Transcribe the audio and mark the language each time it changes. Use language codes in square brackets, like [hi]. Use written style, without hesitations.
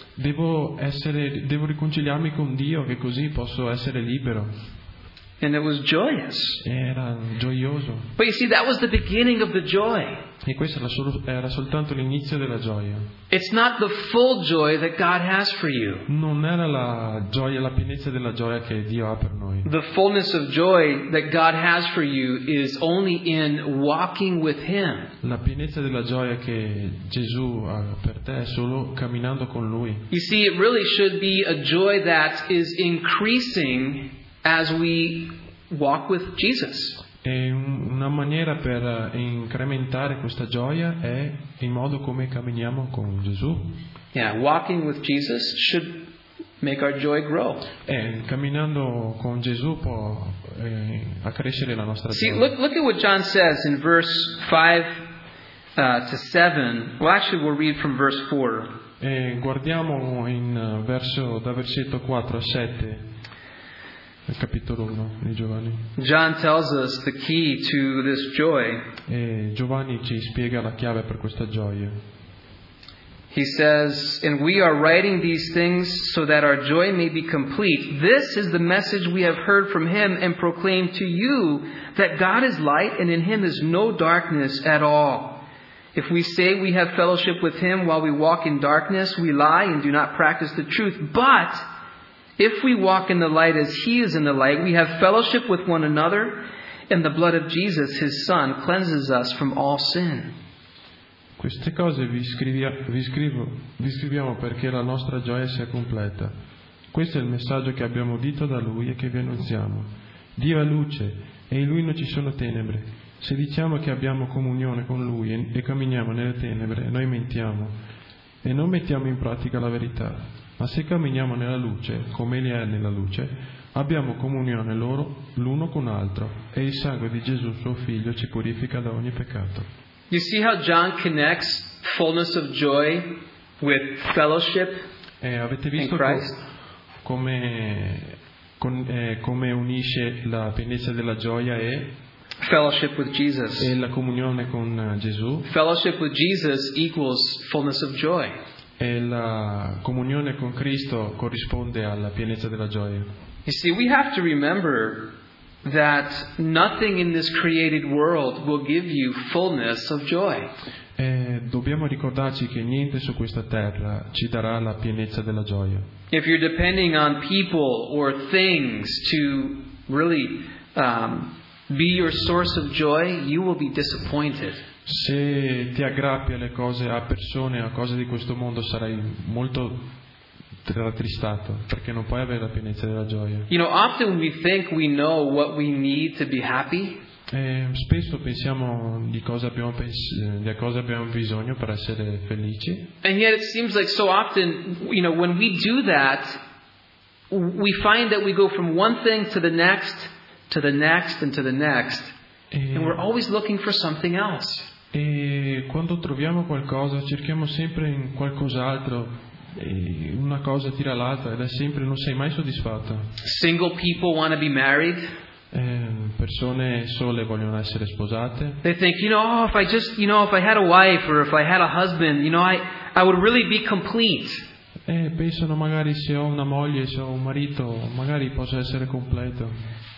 [it] Devo riconciliarmi con Dio, che così posso essere libero. [en] And it was joyous. [it] Era gioioso. [en] But you see, that was the beginning of the joy. [it] E questo era soltanto l'inizio della gioia. [en] It's not the full joy that God has for you. [it] Non era la gioia, la pienezza della gioia che Dio ha per noi. [en] The fullness of joy that God has for you is only in walking with Him. [it] La pienezza della gioia che Gesù ha per te è solo camminando con Lui. [en] You see, it really should be a joy that is increasing as we walk with Jesus. [it] E una maniera per incrementare questa gioia è il modo come camminiamo con Gesù. [en] Yeah, walking with Jesus should make our joy grow. [it] E camminando con Gesù può accrescere la nostra gioia. [en] See, look at what John says in verse 5 to 7. Well, actually, we'll read from verse 4. [it] E guardiamo versetto 4 a 7. Il capitolo 1 di Giovanni. [en] John tells us the key to this joy. [it] E Giovanni ci spiega la chiave per questa gioia. [en] He says, "And we are writing these things so that our joy may be complete. This is the message we have heard from him and proclaim to you, that God is light and in him is no darkness at all. If we say we have fellowship with him while we walk in darkness, we lie and do not practice the truth. But if we walk in the light as he is in the light, we have fellowship with one another, and the blood of Jesus, his son, cleanses us from all sin." [it] Queste cose vi scriviamo perché la nostra gioia sia completa. Questo è il messaggio che abbiamo udito da lui e che vi annunziamo. Dio è luce e in lui non ci sono tenebre. Se diciamo che abbiamo comunione con lui e camminiamo nelle tenebre, noi mentiamo e non mettiamo in pratica la verità. Ma se camminiamo nella luce, come Egli è nella luce, abbiamo comunione loro l'uno con l'altro, e il sangue di Gesù, suo Figlio, ci purifica da ogni peccato. [en] You see how John connects fullness of joy with fellowship in Christ? [it] Avete visto come unisce la pienezza della gioia e [en] fellowship with Jesus. [it] E la comunione con Gesù. [en] Fellowship with Jesus equals fullness of joy. [it] E la comunione con Cristo corrisponde alla pienezza della gioia. [en] You see, we have to remember that nothing in this created world will give you fullness of joy. [it] Dobbiamo ricordarci che niente su questa terra ci darà la pienezza della gioia. [en] If you're depending on people or things to really be your source of joy, you will be disappointed. [it] Se ti aggrappi alle cose, a persone, a cose di questo mondo, sarai molto rattristato, perché non puoi avere la pienezza della gioia. [en] You know, often we think we know what we need to be happy. [it] Spesso pensiamo di cosa abbiamo bisogno per essere felici. [en] And yet it seems like so often, you know, when we do that, we find that we go from one thing to the next, to the next, and to the next, and we're always looking for something else. [it] E quando troviamo qualcosa, cerchiamo sempre in qualcos'altro. Una cosa tira l'altra ed è sempre, non sei mai soddisfatto. [en] Single people want to be married. [it] Persone sole vogliono essere sposate. [en] They think, you know, if I just, you know, if I had a wife or if I had a husband, you know, I would really be complete. [it] Pensano magari se ho una moglie, se ho un marito, magari posso essere completo.